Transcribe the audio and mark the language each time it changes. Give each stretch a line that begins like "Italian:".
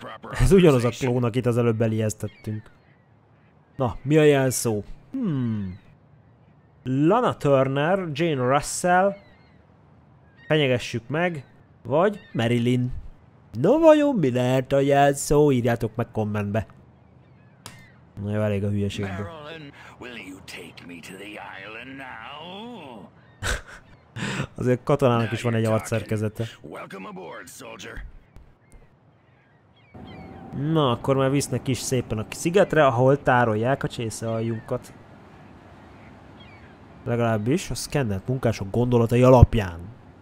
Hungarian: Ez ugyanaz a klón, akit az előbb elijesztettünk. Na, mi a jelszó? Lana Turner, Jane Russell, fenyegessük meg, vagy Marilyn. No, vajon mi lehet a jelszó? Írjátok meg kommentbe. Na jó, elég a hülyeségből.
English: Marilyn, will you take me to the island now?
Hungarian: Azért katonának is van egy arcszerkezete.
English: Welcome aboard, soldier.
Hungarian: Na, akkor már visznek is szépen a szigetre, ahol tárolják a csészealjunkat. Legalábbis a szkennelt munkások gondolatai alapján.